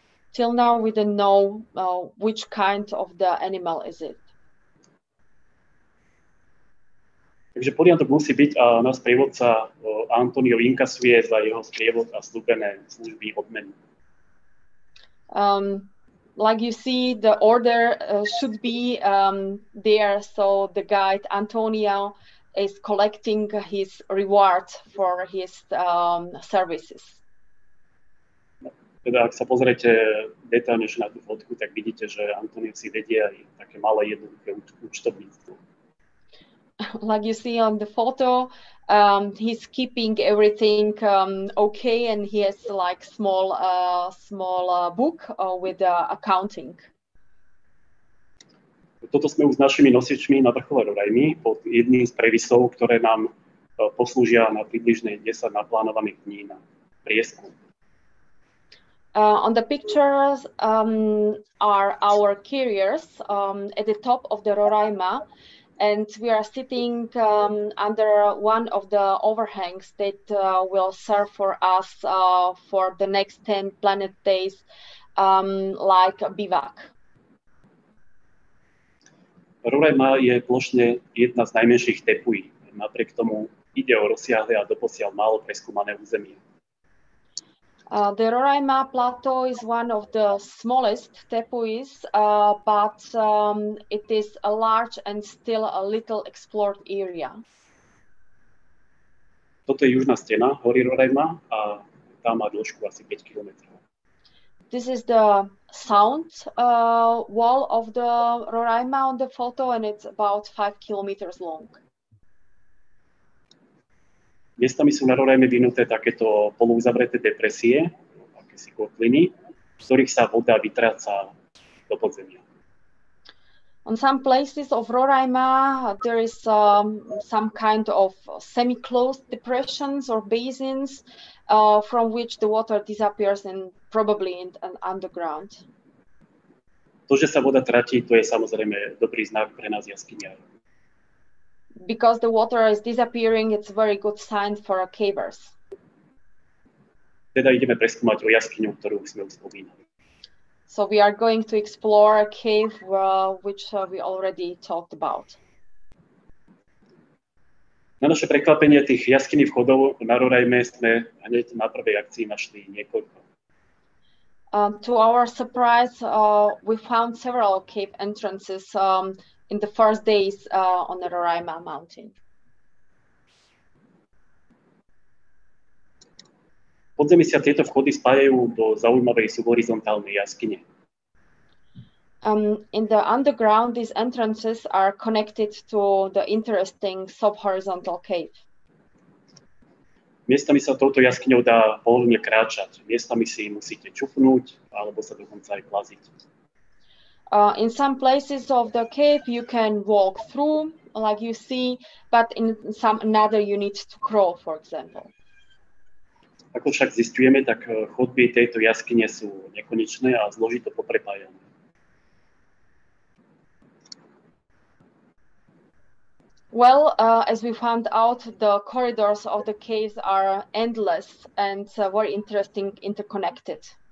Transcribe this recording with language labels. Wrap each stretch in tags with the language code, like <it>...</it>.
<en>Till now, we don't know which kind of the animal is it.</en> <sk>Takže poriadok musí byť a náš sprievodca Antonio inkasuje za jeho sprievod a slúbené služby odmenu.</sk> <en>Like you see, the order should be there, so the guide Antonio is collecting his reward for his services.</en> <sk>Teda, ak sa pozriete detaľnejšie na tú fotku, tak vidíte, že Antonio si vedie aj také malé jednoduché účtovníctvo.</sk> <en>Like you see on the photo, he's keeping everything okay and he has like small book with accounting.</en> <sk>Toto sme už s našimi nosičmi na vrchole Rorajmy pod jedným z previsov, ktoré nám poslúžia na približne 10 naplánovaných dní na prieskum.</sk> <en>On the pictures are our carriers at the top of the Roraima, and we are sitting under one of the overhangs that will serve for us for the next 10 planet days, like a bivak.</en> <sk>Roraima je plošne jedna z najmenších Tepui. Napriek tomu ide o rozsiahle a doposiaľ málo preskúmané územie.</sk> <en>The Roraima Plateau is one of the smallest tepuis, but it is a large and still a little explored area.</en> <sk>Toto je južná stena hory Roraima a tá má dĺžku asi 5 km.</sk> <en>This is the sound wall of the Roraima on the photo, and it's about 5 kilometers long.</en> <sk>Miestami sú na Roraime vynuté takéto polúzavreté depresie, akési kotliny, z ktorých sa voda vytráca do podzemia.</sk> <en>On some places of Roraima, there is some kind of semi-closed depressions or basins from which the water disappears and probably in an underground.</en> <sk>To, že sa voda tratí, to je samozrejme dobrý znak pre nás jaskyniarov.</sk> <en>Because the water is disappearing, it's a very good sign for our cavers.</en> <sk>Teda ideme preskúmať o jaskyňu, ktorú sme už spomínali.</sk> <en>So we are going to explore a cave which we already talked about.</en> <sk>Na naše prekvapenie tých jaskyní vchodov na Roraime sme hneď na prvej akcii našli niekoľko.</sk> <en>To our surprise, we found several cave entrances in the first days on the Roraima mountain.</en> <sk>Podzemí sa tieto vchody spájajú do zaujímavej subhorizontálnej jaskyne.</sk> <en>In the underground, these entrances are connected to the interesting subhorizontal cave.</en> <sk>Miestami sa touto jaskyňou dá pohodlne kráčať. Miestami si musíte čupnúť alebo sa dokonca aj plaziť.</sk> <en>In some places of the cave you can walk through, like you see, but in some another you need to crawl, for example.</en> <sk>Ako však zistujeme, tak chodby tejto jaskyne sú nekonečné a zložito poprepájané.</sk> <en>Well, as we found out, the corridors of the caves are endless and very interesting interconnected.</en>